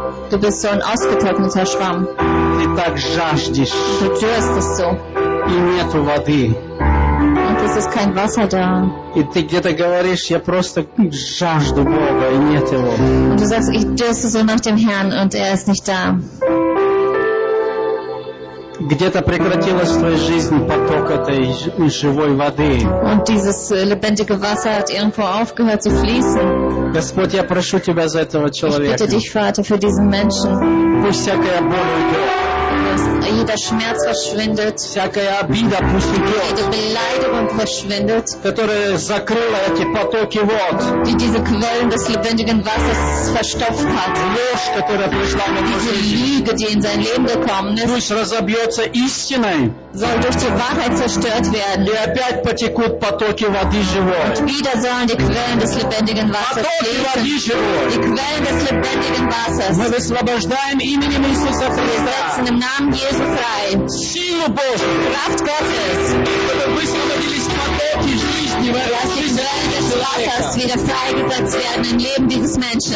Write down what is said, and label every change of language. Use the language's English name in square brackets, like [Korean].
[German] Du bist so ein ausgetrockneter Schwamm. [Russian] Ты так жаждешь. [German] Du tust es so. [Russian] И нету воды. [German] Und es ist kein Wasser da. [Russian] И ты где-то говоришь, я просто жажду Бога, и нет его. [German] Und du sagst, ich dürste so nach dem Herrn und er ist nicht da. [Russian] Где-то прекратилось в твоей жизни поток этой живой воды. [German] Und dieses lebendige Wasser hat irgendwo aufgehört zu fließen. [Russian] Господь, я прошу тебя за этого человека. [German] Ich bitte dich, Vater, für diesen Menschen. [Russian] Пусть всякая боль уйдет. [German] Dass jeder Schmerz verschwindet. [Russian] Всякая обида пусть уйдет. [German] Jede Beleidigung verschwindet. [Russian] Которая закрыла эти потоки вод. [German] Die diese Quellen des lebendigen Wassers verstopft hat. [Russian] Ложь, которая пришла на твою жизнь. [German] Diese Lüge, die in sein Leben gekommen ist. [Russian] Пусть разобьется истиной. [German] Soll durch die Wahrheit zerstört werden. [Russian] И опять потекут потоки воды живой. [German] Und wieder sollen die Quellen des lebendigen Wassers fließen. Die Quellen des lebendigen Wassers. [Russian] Мы высвобождаем именем Иисуса Христа. [German] Im Namen Jesu frei. [Russian] Силу Божию. [German] Kraft Gottes. die Quellen des Wassers wieder freigesetzt werden im Leben dieses Menschen.